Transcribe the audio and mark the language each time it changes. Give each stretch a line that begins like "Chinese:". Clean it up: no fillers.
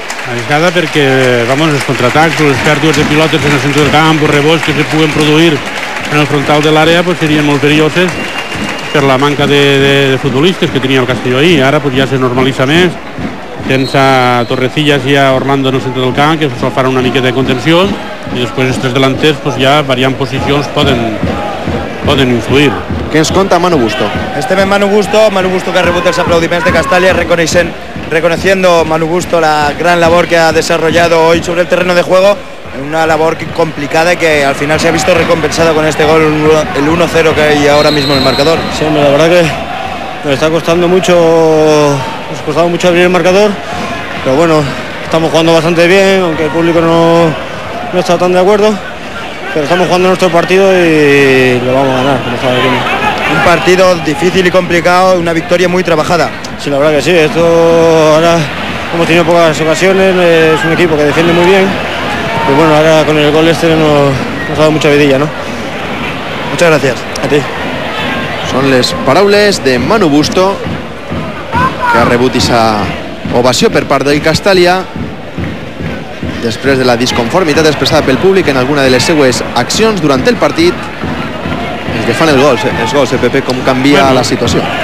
Catalan: Arriesgada perquè, vamos, els contraatacs, les pèrdues de pilotes en el centre del camp, els rebots que se puguen produir en el frontal de l'àrea, pues, serien molt perilloses per la manca de futbolistes que tenia el Castelló ahir. Ara pues, ja se normalitza més. Tens a Torrecillas i a Orlando en el centre del camp, que se'ls farà una miqueta de contenció. I després els tres delanters, pues, ja variant posicions, poden influir. Què ens conta Manu Busto? Estem en Manu Busto, Manu Busto que ha rebut els aplaudiments de Castalia,
Spanish: reconociendo Manu Busto la gran labor que ha desarrollado hoy sobre el terreno de juego, una labor complicada que al final se ha visto recompensada con este gol, el 1-0 que hay ahora mismo en el marcador. Sí, hombre, la verdad que nos está costando mucho, nos ha costado mucho abrir el marcador, pero bueno, estamos jugando bastante bien, aunque el público no está tan de acuerdo. Pero estamos jugando nuestro partido y lo vamos a ganar, como está diciendo. Un partido difícil y complicado, una victoria muy trabajada. Sí, la verdad que sí. Esto ahora hemos tenido pocas ocasiones, es un equipo que defiende muy bien. Pues bueno, ahora con el gol este nos ha dado mucha vidilla, ¿no? Muchas gracias. A ti.
Catalan: Son les paraules de Manu Busto, que ha rebut esa ovació per part del Castalia després de la disconformitat expressada pel públic en alguna de les seues accions durant el partit. Els que fan els gols, Pepe, com canvia, bueno, la situació.